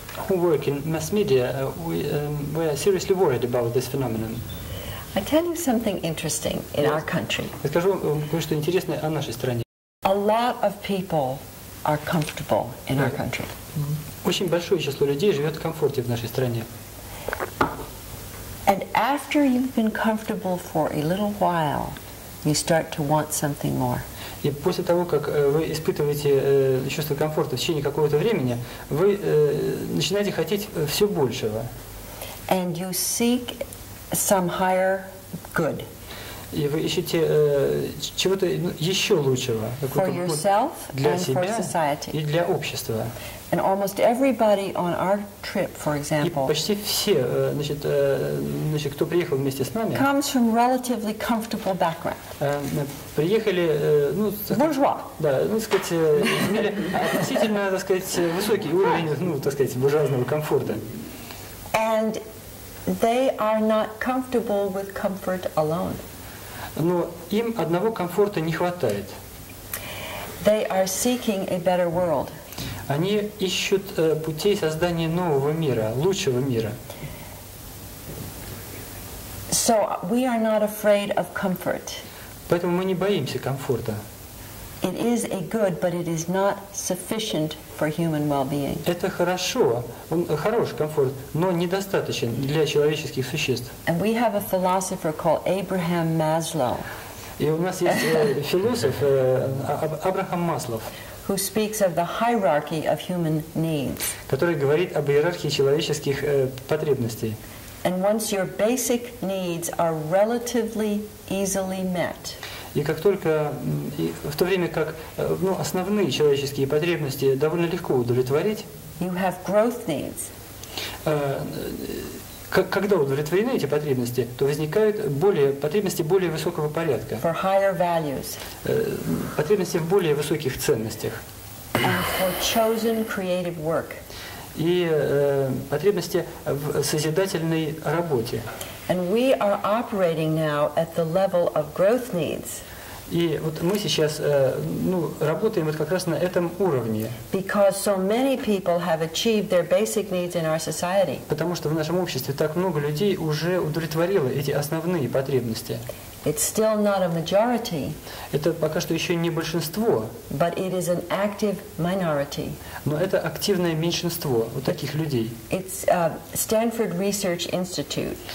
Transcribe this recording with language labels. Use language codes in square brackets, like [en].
[en] Who work in mass media, we are seriously worried about this phenomenon. I tell you something interesting in our country. [ru] Я скажу вам кое-что интересное о нашей стране. [en] A lot of people are comfortable in our country. [ru] Очень большое число людей живет в комфорте в нашей стране. [en] And after you've been comfortable for a little while, you start to want something more. [ru] И после того, как вы испытываете чувство комфорта в течение какого-то времени, вы начинаете хотеть все большего. [en] And you seek some higher good. [ru] И вы ищете чего-то еще лучшего, [en] for yourself, [ru] для [en] and [ru] себя [en] for society. [ru] И для общества. [en] And almost everybody on our trip, for example, [ru] и почти все, значит, кто приехал вместе с нами, [en] comes from relatively comfortable background. [ru] Приехали, ну, буржуа. Да, ну, так сказать, имели относительно, так сказать, высокий уровень, ну, так сказать, буржуазного комфорта. [en] And they are not comfortable with comfort alone. [ru] Но им одного комфорта не хватает. [en] They are seeking a better world. [ru] Они ищут путей создания нового мира, лучшего мира. [en] So we are not afraid of comfort. [ru] Поэтому мы не боимся комфорта. [en] It is a good, but it is not sufficient for human well-being. [ru] Это хорошо, он хороший комфорт, но недостаточен для человеческих существ. [en] And we have a philosopher called Abraham Maslow. [ru] И у нас есть философ Абрахам Маслов. [en] who speaks of the hierarchy of human needs. [ru] Который говорит об иерархии человеческих потребностей. [en] And once your basic needs are relatively easily met. [ru] И как только в то время как ну, основные человеческие потребности довольно легко удовлетворить. [en] You have growth needs. [ru] Когда удовлетворены эти потребности, то возникают более, потребности более высокого порядка. [en] For higher values. [ru] Потребности в более высоких ценностях. [en] And for chosen creative work. [ru] И потребности в созидательной работе. [en] And we are operating now at the level of growth needs. [ru] И вот мы сейчас ну, работаем вот как раз на этом уровне. [en] Because so many people have achieved their basic needs in our society. [ru] Потому что в нашем обществе так много людей уже удовлетворило эти основные потребности. [en] It's still not a majority. [ru] Это пока что еще не большинство. [en] But it is an active minority. [ru] Но это активное меньшинство вот таких людей. [en] It's a Stanford Research Institute.